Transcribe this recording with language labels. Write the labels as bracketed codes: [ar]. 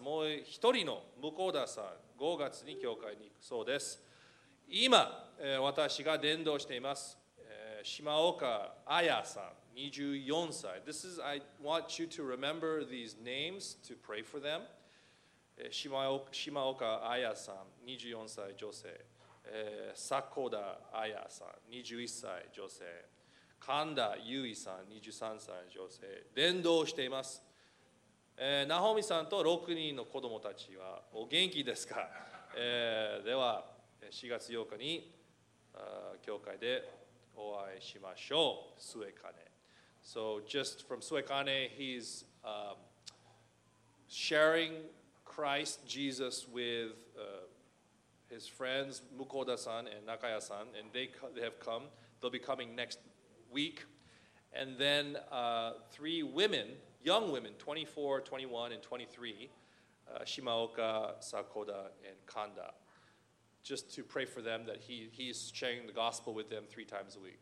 [ja] もう一人の向田さん5月に教会に行くそうです。今私が伝道しています島岡彩さん24歳。 [en] This is, I want you to remember these names to pray for them. [ja] 島岡彩さん24歳女性、迫田彩さん21歳女性、神田優衣さん23歳女性、伝道しています。ナホミさんと6人の子供たちはお元気ですか？では4月8日に教会でお会いしましょう。スエカネ。 [en] So just from Suekane, he's sharing Christ Jesus with his friends Mukoda-san and Nakaya-san, and they have come. They'll be coming next week. And then three women, young women, 24, 21, and 23, Shimaoka, Sakoda, and Kanda, just to pray for them that he's sharing the gospel with them three times a week.